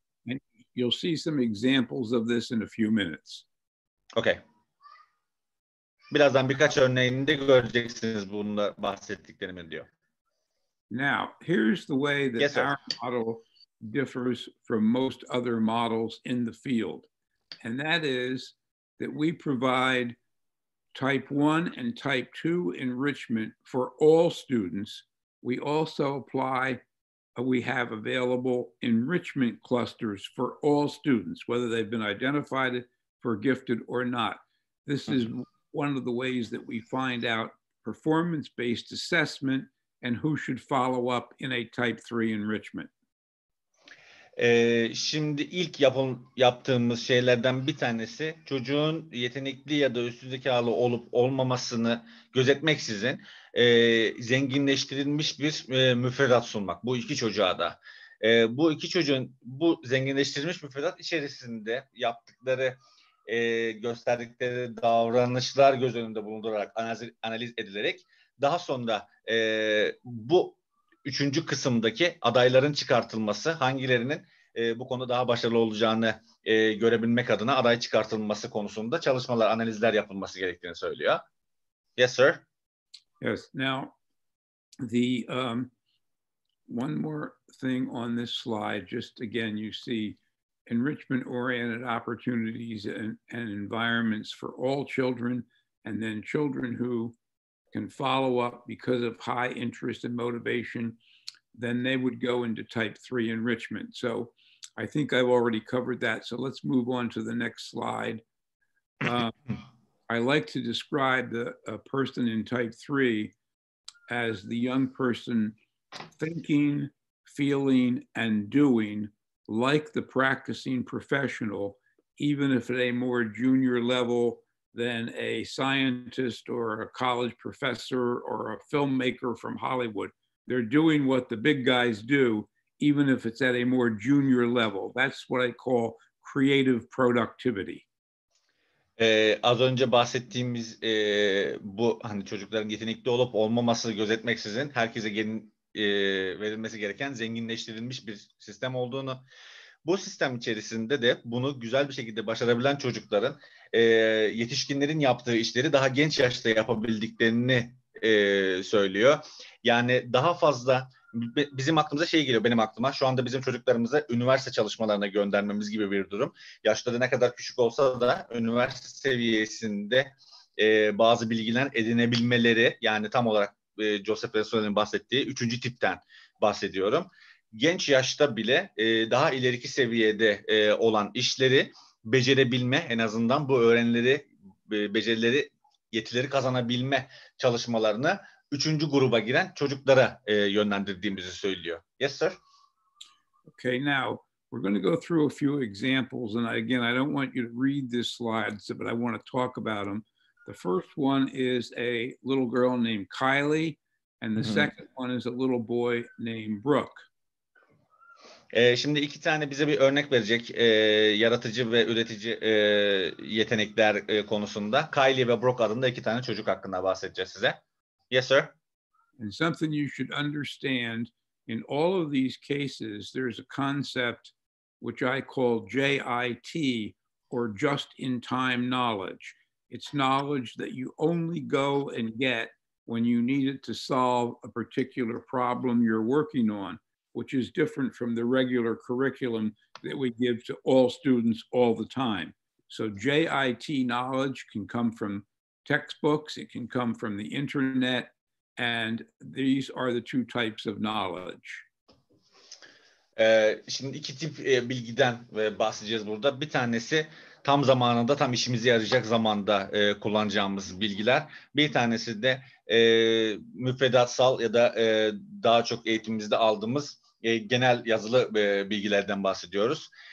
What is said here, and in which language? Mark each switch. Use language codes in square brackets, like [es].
[en] And you'll see some examples of this in a few minutes. Okay. [tr] Birazdan birkaç örneğini de göreceksiniz bununla bahsettiklerimi diyor. [en] Now, here's the way that our model differs from most other models in the field. And that is that we provide type 1 and type 2 enrichment for all students. We also apply, we have available enrichment clusters for all students, whether they've been identified for gifted or not. This is one of the ways that we find out performance-based assessment and who should follow up in a type 3 enrichment. [tr] Şimdi ilk yaptığımız şeylerden bir tanesi çocuğun yetenekli ya da üstün zekalı olup olmamasını gözetmeksizin zenginleştirilmiş bir müfredat sunmak bu iki çocuğa da. Bu iki çocuğun bu zenginleştirilmiş müfredat içerisinde yaptıkları, gösterdikleri davranışlar göz önünde bulundurarak, analiz edilerek daha sonra bu üçüncü kısımdaki adayların çıkartılması, hangilerinin bu konuda daha başarılı olacağını görebilmek adına aday çıkartılması konusunda çalışmalar, analizler yapılması gerektiğini söylüyor. [en] Yes, sir. Yes. Now, the one more thing on this slide, just again, you see enrichment-oriented opportunities and environments for all children, and then children who can follow up because of high interest and motivation, then they would go into type 3 enrichment. So I think I've already covered that. So let's move on to the next slide. I like to describe a person in type 3 as the young person thinking, feeling, and doing like the practicing professional, even if at a more junior level than a scientist or a college professor or a filmmaker from Hollywood. They're doing what the big guys do, even if it's at a more junior level. That's what I call creative productivity. [tr] Az önce bahsettiğimiz bu hani çocukların yetenekli olup olmamasını gözetmeksizin herkese verilmesi gereken zenginleştirilmiş bir sistem olduğunu, bu sistem içerisinde de bunu güzel bir şekilde başarabilen çocukların yetişkinlerin yaptığı işleri daha genç yaşta yapabildiklerini söylüyor. Yani daha fazla bizim aklımıza şey geliyor, benim aklıma şu anda bizim çocuklarımızı üniversite çalışmalarına göndermemiz gibi bir durum. Yaşları ne kadar küçük olsa da üniversite seviyesinde bazı bilgiler edinebilmeleri, yani tam olarak Joseph Ressler'in bahsettiği üçüncü tipten bahsediyorum. Genç yaşta bile daha ileriki seviyede olan işleri becerebilme, en azından bu öğrenileri, becerileri, yetileri kazanabilme çalışmalarını üçüncü gruba giren çocuklara yönlendirdiğimizi söylüyor. [en] Yes, sir. Okay, now we're going to go through a few examples, and again, I don't want you to read this slide, but I want to talk about them. The first one is a little girl named Kylie, and the second one is a little boy named Brooke. [tr] Şimdi iki tane bize bir örnek verecek yaratıcı ve üretici yetenekler konusunda. Kylie ve Brooke adında iki tane çocuk hakkında bahsedeceğiz size. [en] Yes, sir. And something you should understand, in all of these cases, there's a concept which I call JIT, or just-in-time knowledge. It's knowledge that you only go and get when you need it to solve a particular problem you're working on, which is different from the regular curriculum that we give to all students all the time. So JIT knowledge can come from textbooks, it can come from the internet, and these are the two types of knowledge. [tr] Şimdi iki tip bilgiden bahsedeceğiz burada. Bir tanesi tam zamanında, tam işimize yarayacak zamanda kullanacağımız bilgiler. Bir tanesi de müfredatsal ya da daha çok eğitimimizde aldığımız genel yazılı bilgilerden bahsediyoruz.